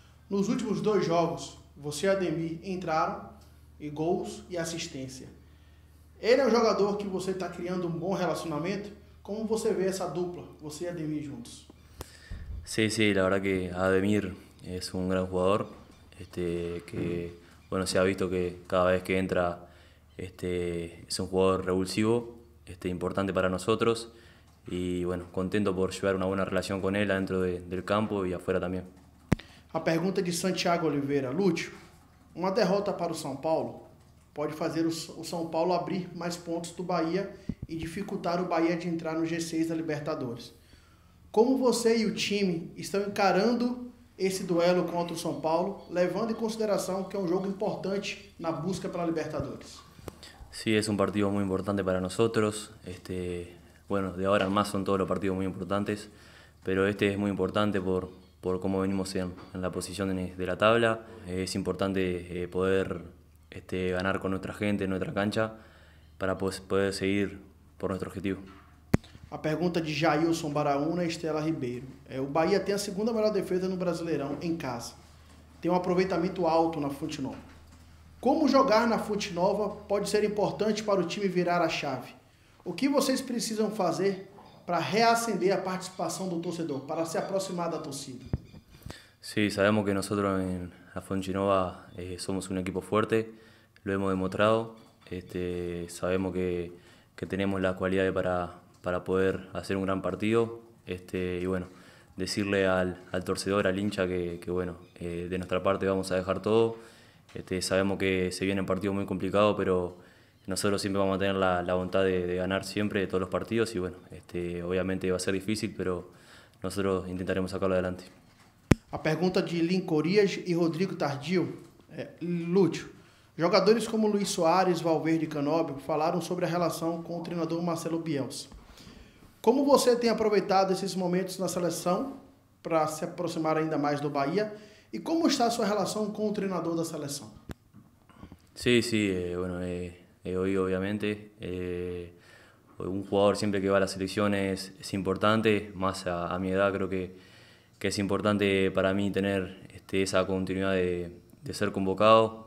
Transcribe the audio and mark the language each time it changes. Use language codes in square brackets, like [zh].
[pt] Nos últimos dois jogos, você e Ademir entraram e gols e assistência. Ele é um jogador que você está criando um bom relacionamento. Como você vê essa dupla, você e Ademir juntos? Sim, [es] la verdad que [pt] Ademir é um grande jogador. [es] Que, bueno, se ha visto que cada vez que entra es un jugador revulsivo, importante para nosotros y bueno, contento por llevar una buena relación con él adentro del campo y afuera también. [pt] A pergunta de Santiago Oliveira. Lúcio, una derrota para o São Paulo pode fazer o São Paulo abrir mais pontos do Bahia e dificultar o Bahia de entrar no G6 da Libertadores. Como você e o time estão encarando esse duelo contra o São Paulo, levando em consideração que é um jogo importante na busca para a Libertadores? [es] Sí, es un partido muy importante para nosotros. Bueno, de ahora en más son todos los partidos muy importantes, pero este es muy importante por cómo venimos en la posición de la tabla. Es importante poder ganar con nuestra gente, en nuestra cancha, para poder seguir por nuestro objetivo. [pt] A pergunta de Jailson Baraúna e Estela Ribeiro. O Bahia tem a segunda melhor defesa no Brasileirão em casa. Tem um aproveitamento alto na Fonte Nova. Como jogar na Fonte Nova pode ser importante para o time virar a chave? O que vocês precisam fazer para reacender a participação do torcedor, para se aproximar da torcida? [es] Sim, sí, sabemos que [pt] nós na Fonte Nova somos um [es] equipo forte, lo hemos demostrado. [pt] Sabemos que temos a qualidade para poder fazer um grande partido. [es] E, bueno, decirle al torcedor, al hincha, que bueno, [pt] de nossa parte [es] vamos a deixar todo. Sabemos que se viene un partido muy complicado, pero nosotros siempre vamos a tener la voluntad de ganar siempre todos los partidos y bueno, obviamente va a ser difícil, pero nosotros intentaremos sacarlo adelante. [pt] A pergunta de Lin Corias y Rodrigo Tardio. Lúcio, jogadores como Luis Suárez, Valverde y Canobio falaram sobre a relação com o treinador Marcelo Bielsa. Como você tem aproveitado esses momentos na seleção para se aproximar ainda mais do Bahia? [es] ¿Y cómo está su relación con el entrenador de la selección? Sí, sí, bueno, he oído obviamente. Un jugador siempre que va a la selección es importante, más a mi edad creo que es importante para mí tener esa continuidad de ser convocado.